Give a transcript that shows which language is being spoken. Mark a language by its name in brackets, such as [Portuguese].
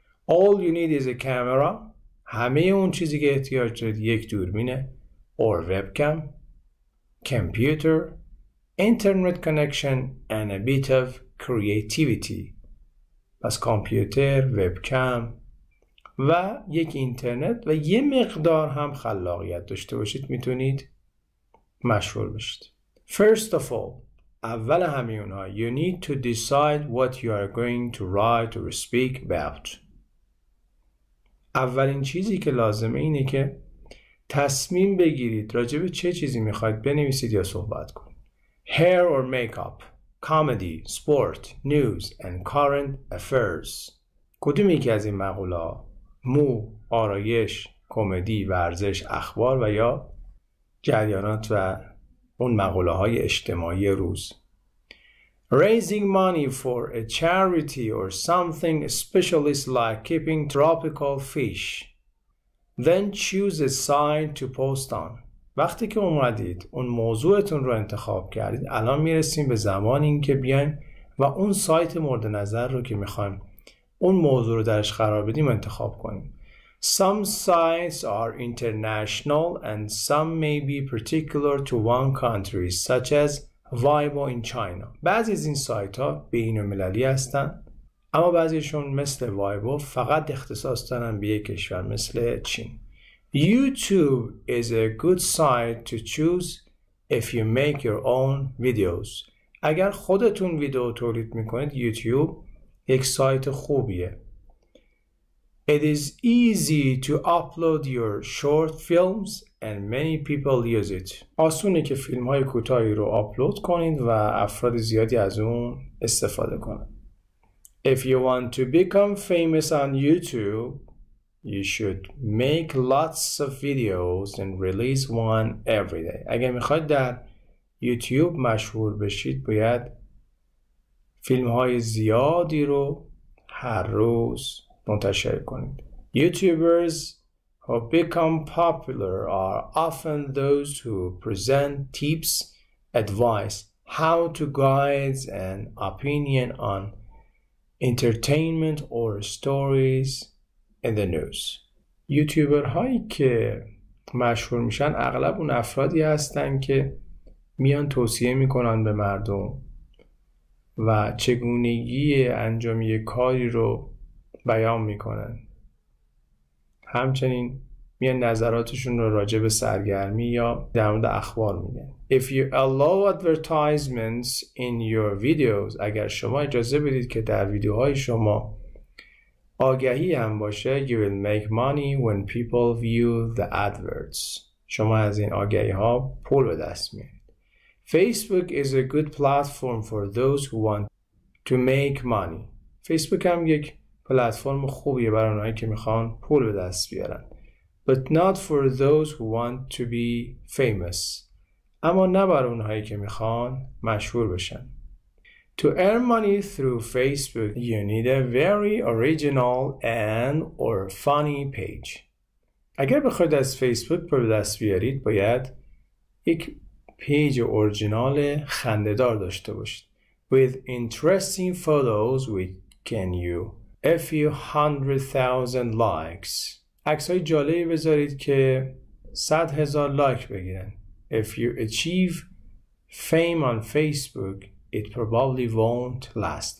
[English] All you need is a camera. [Persian] همه اون چیزی که احتیاج دارید یک دوربینه, [English] or webcam, computer, internet connection and a bit of creativity. [Persian] پس کامپیوتر, وبکم و یک اینترنت و یه مقدار هم خلاقیت داشته باشید میتونید مشهور بشید. [English] First of all, [Persian] اول همه اونها, [English] you need to decide what you are going to write or speak about. [Persian] اولین چیزی که لازمه اینه که تصمیم بگیرید راجب چه چیزی میخواید بنویسید یا صحبت کنید. [English] Hair or makeup, comedy, sport, news and current affairs. [Persian] کدوم یکی از این مقوله, مو, آرایش, کمدی, ورزش, اخبار و یا جریانات و اون مقوله های اجتماعی روز. [English] Raising money for a charity or something special is like keeping tropical fish. Then choose a sign to post on. [Persian] وقتی که اومدید اون موضوعتون رو انتخاب کردید، الان میرسیم به زمان این که بیاین و اون سایت مورد نظر رو که میخوایم اون موضوع رو درش قرار بدیم انتخاب کنیم. [English] Some sites are international and some may be particular to one country, such as Weibo in China. [Persian] بعضی از این سایت ها بین المللی هستن، اما بعضیشون مثل Weibo فقط اختصاص دارن به یک کشور مثل چین. [English] YouTube is a good site to choose if you make your own videos. [Persian] اگر خودتون ویدیو تولید میکنید، یوتیوب یک سایت خوبیه. [English] It is easy to upload your short films and many people use it. [Persian] آسونه که فیلم های کوتاهی رو آپلود کنید و افراد زیادی از اون استفاده کنند. [English] If you want to become famous on YouTube, you should make lots of videos and release one every day. [Persian] اگر میخواید در یوتیوب مشهور بشید، باید فیلم های زیادی رو هر روز منتشر کنید. [English] YouTubers who become popular are often those who present tips, advice, how to guides and opinion on entertainment or stories in the news. [Persian] یوتیوبر هایی که مشهور میشن اغلب اون افرادی هستن که میان توصیه میکنن به مردم و چگونگی انجام یک کاری رو بیان میکنن. همچنین میان نظراتشون رو راجع به سرگرمی یا در مورد اخبار میگن. [English] If you allow advertisements in your videos, [Persian] اگر شما اجازه بدید که در ویدیوهای شما آگهی هم باشه, [English] you will make money when people view the adverts. [Persian] شما از این آگهی ها پول به دست میارید. [English] Facebook is a good platform for those who want to make money. [Persian] Facebook هم یک پلتفرم خوبیه برای اونایی که میخوان پول به دست بیارن. [English] But not for those who want to be famous. [Persian] اما نه برای اونایی که میخوان مشهور بشن. [English] To earn money through Facebook, you need a very original and or funny page. [Persian] اگر بخواید از فیسبوک پول به دست بیارید، باید یک پیج اورجینال خنده‌دار داشته باشید. [English] With interesting photos which can you a few hundred thousand likes. [Persian] عکسای جالبی بذارید که 100,000 لایک بگیرن. [English] If you achieve fame on Facebook, it probably won't last.